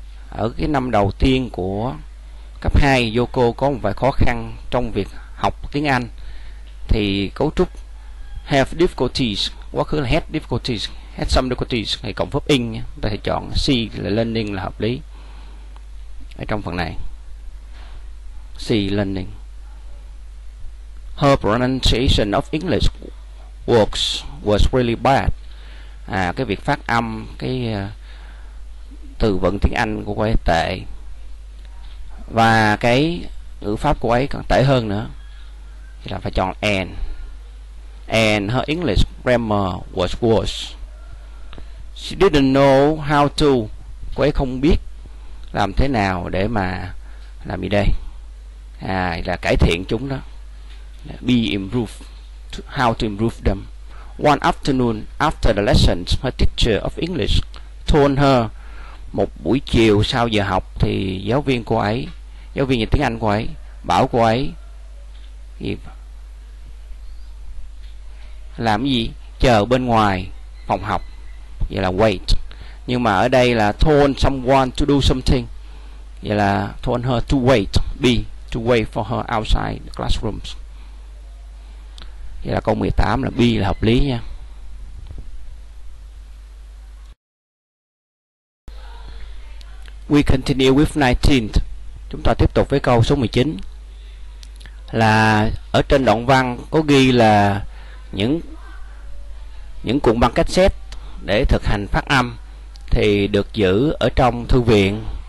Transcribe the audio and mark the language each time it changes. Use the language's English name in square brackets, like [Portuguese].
[Vietnamese] Ở cái năm đầu tiên của cấp 2, Yoko có một vài khó khăn trong việc học tiếng Anh. Thì cấu trúc have difficulties, quá khứ là [English] had difficulties, had some difficulties, [Vietnamese] hay cộng verb in, ta sẽ chọn C là learning là hợp lý. Ở trong phần này, C learning. [English] Her pronunciation of English works was really bad. [Vietnamese] À, cái việc phát âm cái từ vựng tiếng Anh của cô ấy tệ. Và cái ngữ pháp của ấy còn tệ hơn nữa. Thì là phải chọn and. [English] And her English grammar was worse. She didn't know how to. [Vietnamese] Cô ấy không biết làm thế nào để mà làm gì đây. À, là cải thiện chúng đó. Be improved. [English] How to improve them. One afternoon after the lessons, her teacher of English told her. [Vietnamese] Một buổi chiều sau giờ học thì giáo viên cô ấy, giáo viên tiếng Anh cô ấy bảo cô ấy làm gì? Chờ bên ngoài phòng học. Vậy là wait. Nhưng mà ở đây là [English] told someone to do something. [Vietnamese] Vậy là [English] told her to wait. Be to wait for her outside the classrooms. [Vietnamese] Vậy là câu 18 là B là hợp lý nha. [English] We continue with 19. [Vietnamese] Chúng ta tiếp tục với câu số 19. Là ở trên đoạn văn có ghi là những cuộn băng cassette để thực hành phát âm thì được giữ ở trong thư viện.